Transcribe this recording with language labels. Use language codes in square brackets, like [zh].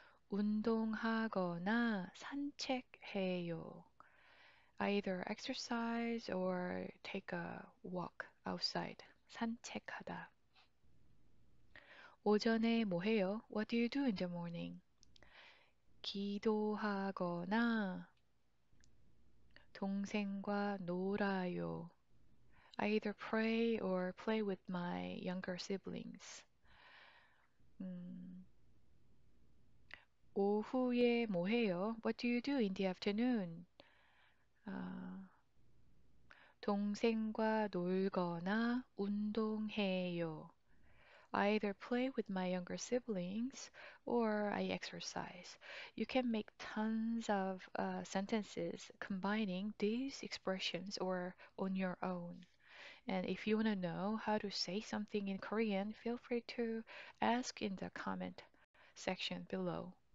[ko] 운동하거나 산책해요. [en] Either exercise or take a walk outside. [ko] 산책하다. 오전에 뭐 해요? [en] What do you do in the morning? [ko] 기도하거나 동생과 놀아요. [en] I either pray or play with my younger siblings. [ko] 오후에 뭐 해요? [en] What do you do in the afternoon? [ko] 동생과 놀거나 운동해요. [en] I either play with my younger siblings or I exercise. You can make tons of sentences combining these expressions or on your own. And if you want to know how to say something in Korean, feel free to ask in the comment section below.